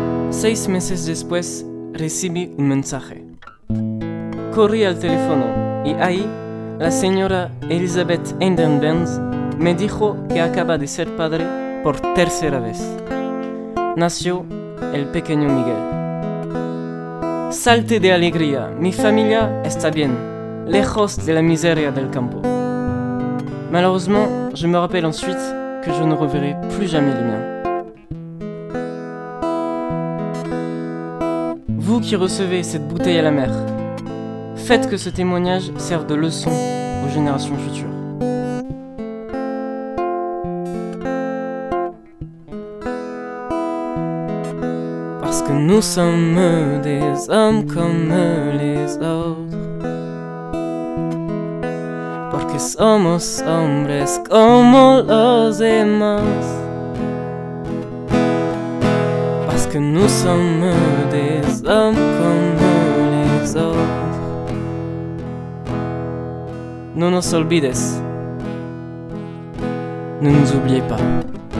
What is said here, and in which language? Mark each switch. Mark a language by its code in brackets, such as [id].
[es] Seis meses después, recibí un mensaje. Corrí al teléfono y ahí, la señora Elizabeth Einden-Benz me dijo que acaba de ser padre por tercera vez. Nació el pequeño Miguel. Salté de alegría, mi familia está bien, lejos de la miseria del campo. [fr] Malheureusement, je me rappelle ensuite que je ne reverrai plus jamais les miens. Vous qui recevez cette bouteille à la mer, faites que ce témoignage serve de leçon aux générations futures. Parce que nous sommes des hommes comme les autres. [es] Porque somos hombres como los demás. [fr] Parce que nous sommes des hommes comme les autres. [es] No nos olvides. [fr] Ne nous oubliez pas.